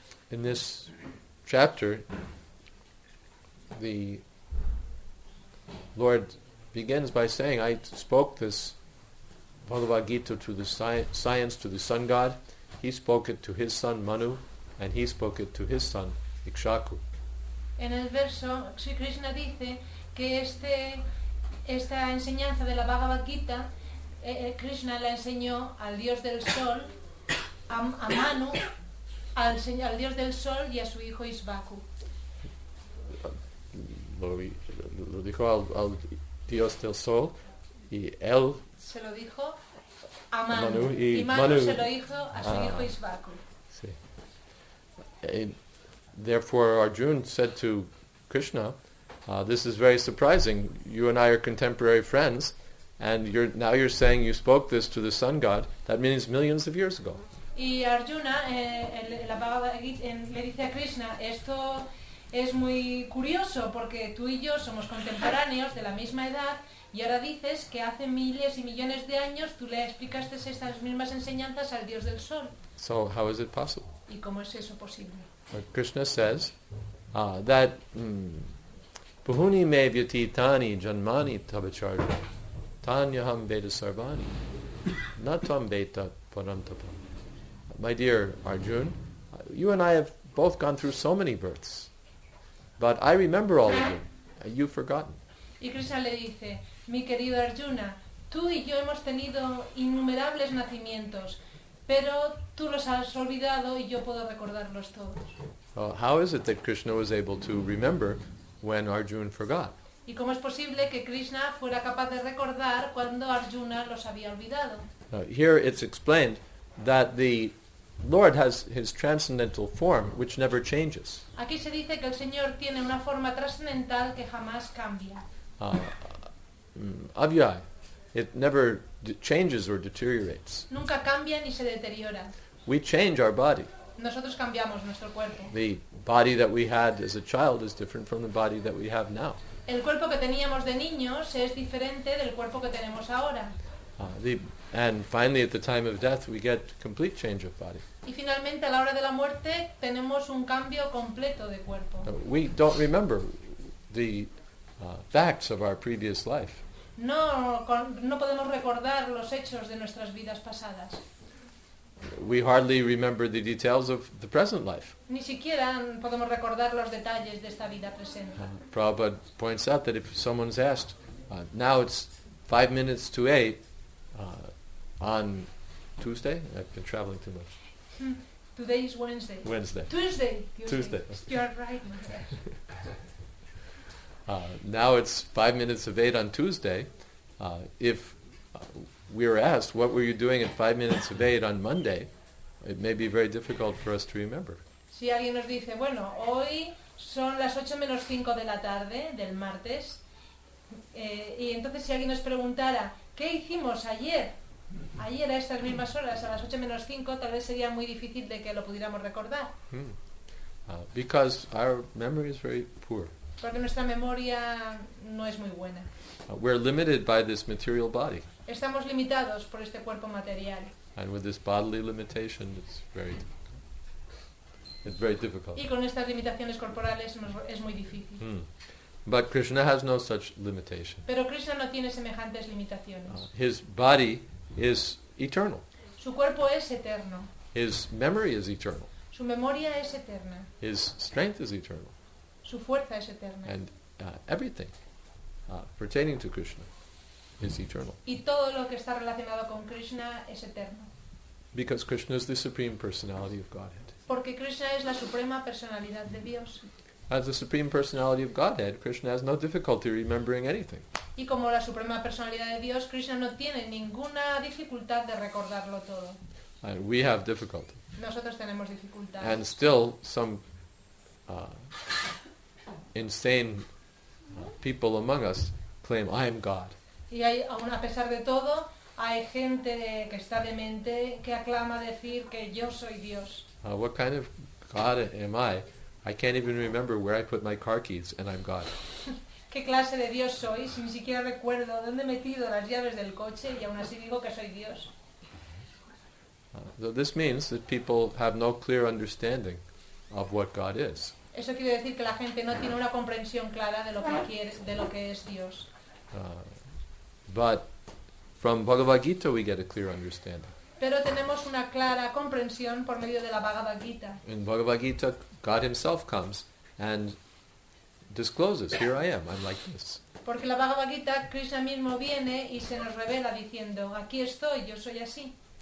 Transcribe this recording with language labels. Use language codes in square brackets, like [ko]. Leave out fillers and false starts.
[en] In this chapter, the Lord begins by saying, I spoke this Bhagavad Gita to the science, to the sun god. He spoke it to his son Manu, and he spoke it to his son Ikshaku. [es] En el verso, Sri Krishna dice que esta enseñanza de la Bhagavad Gita, Krishna la enseñó al dios del sol, a Manu, al dios del sol y a su hijo Ikshaku. Lo dijo al dios del sol y él se lo dijo a Manu, y Manu se lo hizo a su hijo Ishvaku. Sí. [en] Therefore, Arjuna said to Krishna, this is very surprising. You and I are contemporary friends, and now you're saying you spoke this to the sun god. That means millions of years ago. [es] Y Arjuna la Bhagavad Gita le dice a Krishna, esto es muy curioso porque tú y yo somos contemporáneos de la misma edad y ahora dices que hace miles y millones de años tú le explicaste estas mismas enseñanzas al dios del sol. [en] So how is it possible? [es] ¿Y cómo es eso posible? [en] Krishna says that [sa] bhuni mevyati tani janmani tabacharya tanyaham veda sarvani natvam veta parantapam. [en] My dear Arjun, you and I have both gone through so many births, but I remember all of them. You've forgotten. [es] Y Krishna le dice, mi querido Arjuna, tú y yo hemos tenido innumerables nacimientos, pero tú los has olvidado y yo puedo recordarlos todos. [en] Well, how is it that Krishna was able to remember when Arjuna forgot? [es] ¿Y cómo es posible que Krishna fuera capaz de recordar cuando Arjuna los había olvidado? [en] Here it's explained that the Lord has his transcendental form, which never changes. [es] Aquí se dice que el Señor tiene una forma trascendental que jamás cambia. [en] Avyay, it never changes or deteriorates. [es] Nunca cambia ni se deteriora. [en] We change our body. [es] Nosotros cambiamos nuestro cuerpo. [en] The body that we had as a child is different from the body that we have now. [es] El cuerpo que teníamos de niños es diferente del cuerpo que tenemos ahora. [en] And finally, at the time of death, we get complete change of body. [es] Y finalmente, a la hora de la muerte, tenemos un cambio completo de cuerpo. [en] We don't remember the facts of our previous life. [es] No podemos recordar los hechos de nuestras vidas pasadas. [en] We hardly remember the details of the present life. [es] Ni siquiera podemos recordar los detalles de esta vida presente. [en] Prabhupada points out that if someone's asked, now it's 8:05, on Tuesday? I've been traveling too much. Today is Wednesday. Tuesday. You are right. Now it's 8:05 on Tuesday. If we were asked, what were you doing at 8:05 on Monday? It may be very difficult for us to remember. [es] Si alguien nos dice, bueno, hoy son 8:05 de la tarde del martes, y entonces si alguien nos preguntara, ¿qué hicimos ayer a estas mismas horas, a 8:05, tal vez sería muy difícil de que lo pudiéramos recordar. [en] Because our memory is very poor. [es] Porque nuestra memoria no es muy buena. [en] We're limited by this material body. [es] Estamos limitados por este cuerpo material. [en] And with this bodily limitation, it's very difficult. [es] Y con estas limitaciones corporales es muy difícil. [en] But Krishna has no such limitation. [es] Pero Krishna no tiene semejantes limitaciones. [en] His body is eternal. [es] Su cuerpo es eterno. [en] His memory is eternal. [es] Su memoria es eterna. [en] His strength is eternal. [es] Su fuerza es eterna. [en] And everything pertaining to Krishna is eternal. [es] Y todo lo que está relacionado con Krishna es eterno. [en] Because Krishna is the supreme personality of Godhead. [es] Porque Krishna es la suprema personalidad de Dios. [en] As the supreme personality of Godhead, Krishna has no difficulty remembering anything. [es] Y como la suprema personalidad de Dios, Krishna no tiene ninguna dificultad de recordarlo todo. [en] And we have difficulty. [es] Nosotros tenemos dificultades. [en] And still, some insane people among us claim, "I am God." [es] Y hay, aun a pesar de todo, hay gente que está demente que aclama decir que yo soy Dios. [en] What kind of God am I? I can't even remember where I put my car keys and I'm God. [es] ¿Qué clase de Dios soy si ni siquiera recuerdo dónde he metido las llaves del coche y aún así digo que soy Dios? [en] So this means that people have no clear understanding of what God is. [es] Eso quiere decir que la gente no tiene una comprensión clara de lo que quiere, de lo que es Dios. [en] But from Bhagavad Gita we get a clear understanding. [es] Pero tenemos una clara comprensión por medio de la Bhagavad Gita. [en] In Bhagavad Gita, God himself comes and discloses, "Here I am, I'm like this." [es] Porque la Bhagavad Gita, Krishna mismo viene y se nos revela diciendo, "Aquí estoy, yo soy así."